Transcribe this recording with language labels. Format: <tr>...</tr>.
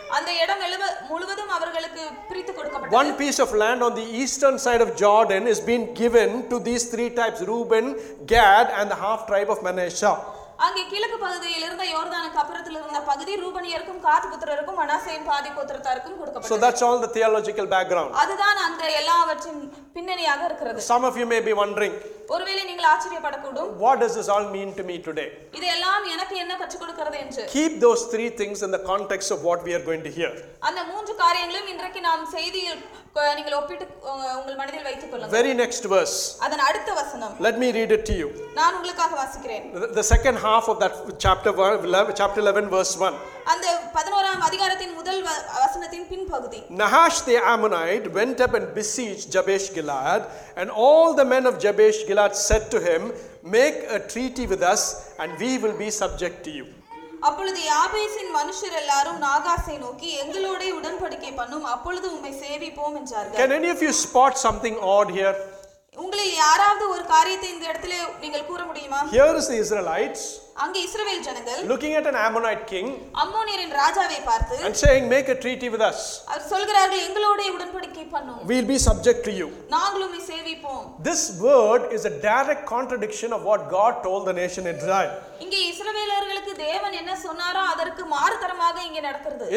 <ta>அந்த இடம் முழுவதும் அவர்களுக்கு பிரித்து கொடுக்கப்பட்டது</ta> <en>one piece of land on the eastern side of jordan is been given to these three tribes reuben gad and the half tribe of manasseh</en> <ta>அங்கே கிழக்கு பகுதியில் இருந்த யோர்தானுக்கு அப்புறத்தில் இருந்த பகுதி ரூபனியருக்கும் காத் புத்திரருக்கும் மனாசேயின் பாதி கோத்திரத்தாருக்கும் கொடுக்கப்பட்டது</ta> <en>so that's all the theological background</en> <ta>அதுதான் அந்த எல்லாவற்றின் பின்னணியாக இருக்கிறது</ta> <en>some of you may be wondering</en> <ta>ஒருவேளை நீங்கள் ஆச்சரியப்படக்கூடும்</ta> <en>what does this all mean to me today</en> <ta>இதெல்லாம் எனக்கு என்ன கற்றுக் கொடுக்கிறது என்று</ta> <en>keep those three things in the context of what we are going to hear</en> <ta>அந்த மூன்று காரியங்களையும் இன்றைக்கு நாம் செய்தியில் நீங்கள் ஒப்பிட்டு உங்கள் மனதில் வைத்துக் கொள்ளுங்கள்</ta> <en>very next verse</en> <ta>அதன் அடுத்த வசனம்</ta> <en>let me read it to you</en> <ta>நான் உங்களுக்காக வாசிக்கிறேன்</ta> <en>the second half of that chapter 11 verse 1</en> <ta>அந்த 11ஆம் அதிகாரத்தின் முதல் வசனத்தின் பின்பகுதி</ta> <en>Nahash the Ammonite went up and besieged Jabesh Gilead and all the men of Jabesh Gilead said to him make a treaty with us and we will be subject to you</en> <ta>அப்பொழுது யாபேசின் மனுஷர் எல்லாரும் நாகாசை நோக்கி எங்களோட உடன்படிக்கை பண்ணும் அப்பொழுது உம்மை சேவிப்போம் என்றார்கள்</ta> <en>Can any of you spot something odd here</en> <ta>உங்களில் யாராவது ஒரு காரியத்தை இந்த இடத்துல நீங்கள் கூற முடியுமா</ta> <en>Here is the Israelites</en> <ta>அங்க இஸ்ரவேல் ஜனங்கள்</ta> <en>looking at an Ammonite king</en> <ta>அம்மோனியரின் ராஜாவை பார்த்து</ta> <en>and saying make a treaty with us</en> <ta>அவர் சொல்கிறார்கள் எங்களோட உடன்படிக்கை பண்ணுவோம்</ta> <en>we will be subject to you</en> <ta>நாங்களும் உம்மை சேவிப்போம்</ta> <en>This word is a direct contradiction of what God told the nation Israel</en> <ta>இங்கே இஸ்ரவேலர்களுக்கு தேவன் என்ன சொன்னாரோ அதற்கு மாறுதரமாக இங்கே நடக்கிறது</ta>